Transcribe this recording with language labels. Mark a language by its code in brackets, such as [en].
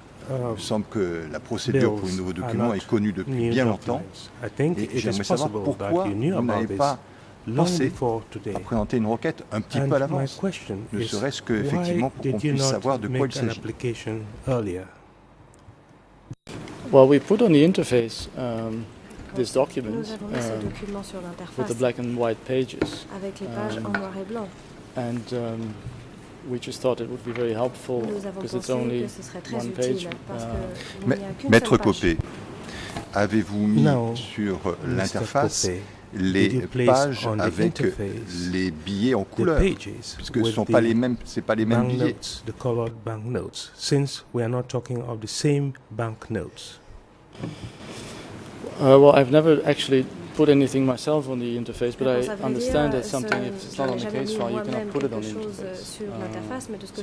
[fr] Il me semble que la procédure pour un nouveau document est connue depuis bien longtemps. Et j'aimerais savoir pourquoi vous n'avez pas pensé à présenter une requête un petit peu à l'avance, ne serait-ce qu'effectivement pour qu'on puisse savoir de quoi il s'agit. [en] Well, we put on the interface this document with the black and white pages. [fr] Avec les pages en noir et blanc. [en] And we just thought it would be very helpful because it's only one page. [fr] Maître Copé, avez-vous mis sur l'interface les pages avec les billets en couleur, puisque ce ne sont pas les mêmes, c'est pas les mêmes billets? [en] The colored bank notes, since we are not talking of the same bank notes. Well, I've never actually put anything myself on the interface, but I understand that something, if it's not on the case file, you cannot put it on the interface.